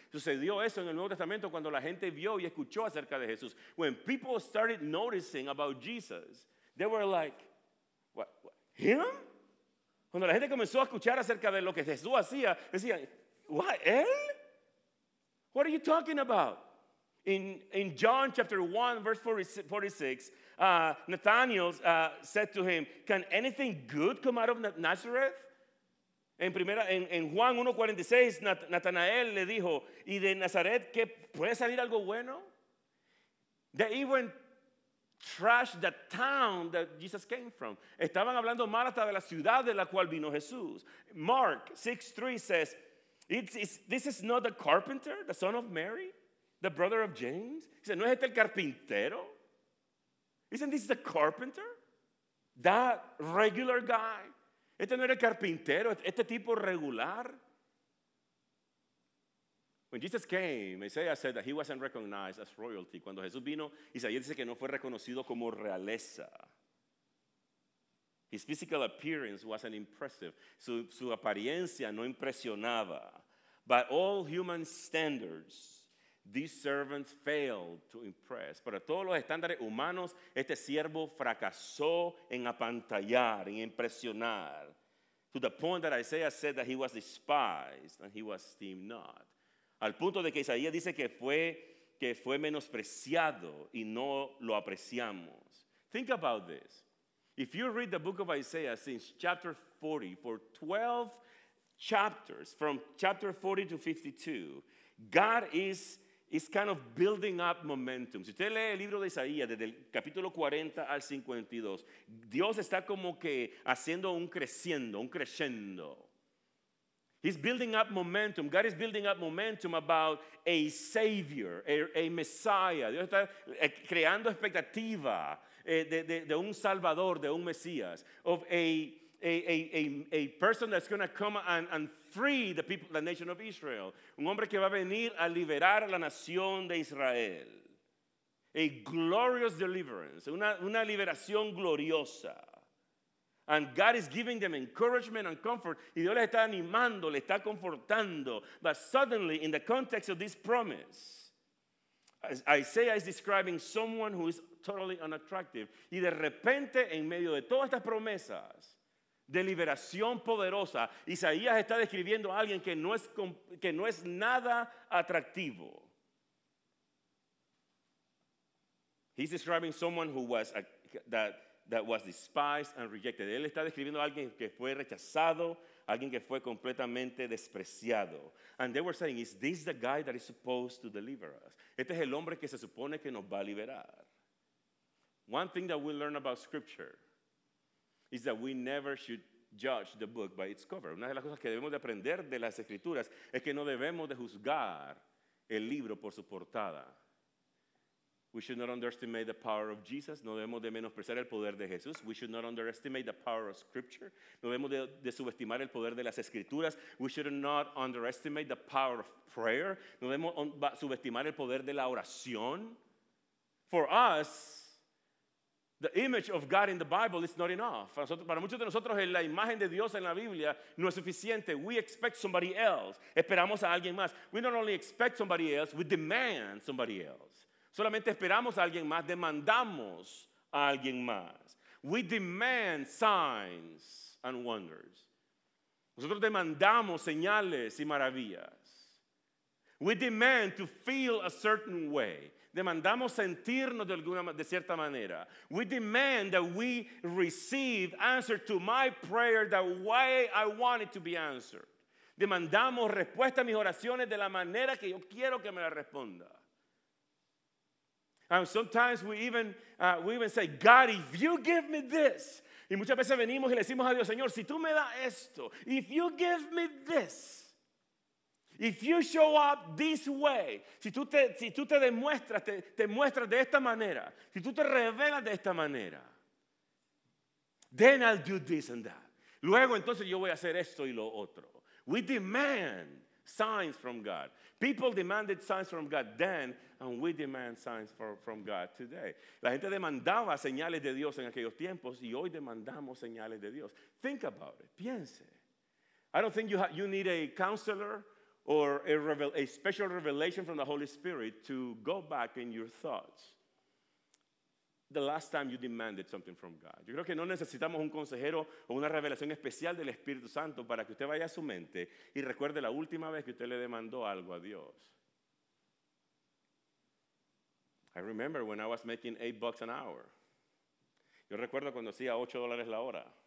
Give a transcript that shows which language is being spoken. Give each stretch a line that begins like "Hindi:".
Spanish: Sucedió eso en el Nuevo Testamento cuando la gente vio y escuchó acerca de Jesús.
English: When people started noticing about Jesus, they were like, what, him?
Spanish: Cuando la gente comenzó a escuchar acerca de lo que Jesús hacía, decían,
English: what,
Spanish: él?
English: What are you talking about? In John chapter 1, verse 46, Nathanael said to him, can anything good come out of Nazareth?
Spanish: En Juan 1:46, Natanael le dijo, ¿y de Nazaret qué puede salir algo bueno?
English: They even trashed the town that Jesus came from.
Spanish: Estaban hablando mal hasta de la ciudad de la cual vino Jesús.
English: Mark 6:3 says, this is not the carpenter, the son of Mary, the brother of James?
Spanish: Dice, ¿no es este el carpintero?
English: Isn't this the carpenter? That regular guy?
Spanish: Este no era carpintero, este tipo regular.
English: When Jesus came, Isaiah said that he wasn't recognized as royalty.
Spanish: Cuando Jesús vino, Isaías dice que no fue reconocido como realeza.
English: His physical appearance wasn't impressive.
Spanish: Su apariencia no impresionaba.
English: By all human standards, these servants failed to impress.
Spanish: Para todos los estándares humanos, este siervo fracasó en apantallar, en impresionar.
English: To the point that Isaiah said that he was despised and he was esteemed not.
Spanish: Al punto de que Isaías dice que fue menospreciado y no lo apreciamos.
English: Think about this. If you read the book of Isaiah since chapter 40, for 12 chapters, from chapter 40 to 52, God is kind of building up momentum.
Spanish: Si usted lee el libro de Isaías desde el capítulo 40 al 52, Dios está como que haciendo un creciendo.
English: He's building up momentum. God is building up momentum about a savior, a messiah.
Spanish: Dios está creando expectativa de un salvador, de un mesías,
English: of a person that's going to come and free the people, the nation of Israel.
Spanish: Un hombre que va a venir a liberar la nación de Israel.
English: A glorious deliverance.
Spanish: Una liberación gloriosa.
English: And God is giving them encouragement and comfort.
Spanish: Y Dios les está animando, les está confortando.
English: But suddenly, in the context of this promise, Isaiah is describing someone who is totally unattractive.
Spanish: Y de repente, en medio de todas estas promesas, de liberación poderosa, Isaías está describiendo a alguien que no es nada atractivo.
English: He's describing someone who was that was despised and rejected.
Spanish: Él está describiendo a alguien que fue rechazado, alguien que fue completamente despreciado.
English: And they were saying, is this the guy that is supposed to deliver us?
Spanish: Este es el hombre que se supone que nos va a liberar.
English: One thing that we learn about scripture is that we never should judge the book by its cover.
Spanish: Una de las cosas que debemos de aprender de las escrituras es que no debemos de juzgar el libro por su portada.
English: We should not underestimate the power of Jesus.
Spanish: No debemos de menospreciar el poder de Jesús.
English: We should not underestimate the power of Scripture.
Spanish: No debemos de subestimar el poder de las Escrituras.
English: We should not underestimate the power of prayer.
Spanish: No debemos subestimar el poder de la oración.
English: For us, the image of God in the Bible is not enough.
Spanish: Para muchos de nosotros, la imagen de Dios en la Biblia no es suficiente.
English: We expect somebody else.
Spanish: Esperamos a alguien más.
English: We not only expect somebody else, we demand somebody else.
Spanish: Solamente esperamos a alguien más, demandamos a alguien más.
English: We demand signs and wonders.
Spanish: Nosotros demandamos señales y maravillas.
English: We demand to feel a certain way.
Spanish: Demandamos sentirnos de cierta manera.
English: We demand that we receive answer to my prayer the way I want it to be answered.
Spanish: Demandamos respuesta a mis oraciones de la manera que yo quiero que me la responda.
English: And sometimes we even say, God, if you give me this.
Spanish: Y muchas veces venimos y le decimos a Dios, Señor, si tú me das esto,
English: if you give me this, if you show up this way,
Spanish: si tú te muestras de esta manera, si tú te revelas de esta manera, then I'll do this and that. Luego entonces yo voy a hacer esto y lo otro.
English: We demand signs from God. People demanded signs from God then, and we demand signs from God today.
Spanish: La gente demandaba señales de Dios en aquellos tiempos, y hoy demandamos señales de Dios.
English: Think about it.
Spanish: Piense.
English: I don't think you need a counselor or a special revelation from the Holy Spirit to go back in your thoughts. The last time you demanded something from God.
Spanish: Yo creo que no necesitamos un consejero o una revelación especial del Espíritu Santo para que usted vaya a su mente y recuerde la última vez que usted le demandó algo a Dios.
English: I remember when I was making $8 an hour.
Spanish: Yo recuerdo cuando hacía $8 la hora.